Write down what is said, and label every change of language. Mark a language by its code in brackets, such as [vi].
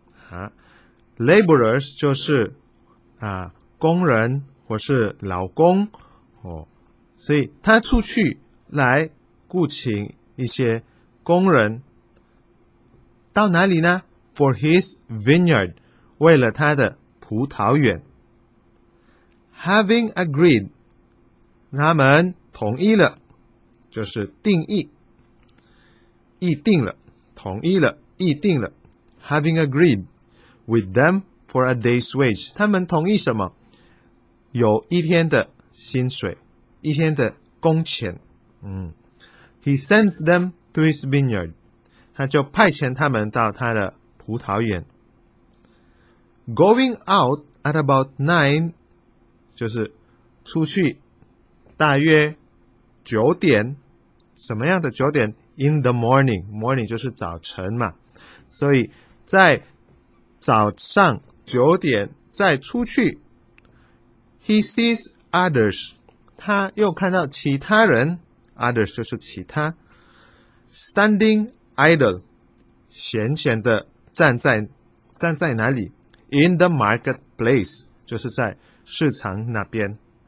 [zh] 啊 ,laborers 就是啊工人或是劳工哦，所以他出去来雇请一些工人到哪里呢 ? [en] for his vineyard, [zh] 为了他的葡萄园。 [en] Having agreed, [zh] 他们同意了就是定义。议定了，同意了，议定了。 [en] Having agreed with them for a day's wage, [zh] 他们同意什么？有一天的薪水，一天的工钱。嗯。 [en] He sends them to his vineyard, [zh] 他就派遣他们到他的葡萄园。 [en] Going out at about 9, [zh] 就是出去大约九点，什么样的九点？ [en] In the morning, [zh] morning 就是早晨嘛，所以在早上九点再出去 , [en] he sees others, [zh] 他又看到其他人 ,others 就是其他 , [en] standing idle, [zh] 闲闲的站在哪里 , [en] in the marketplace, [zh] 就是在市场那边。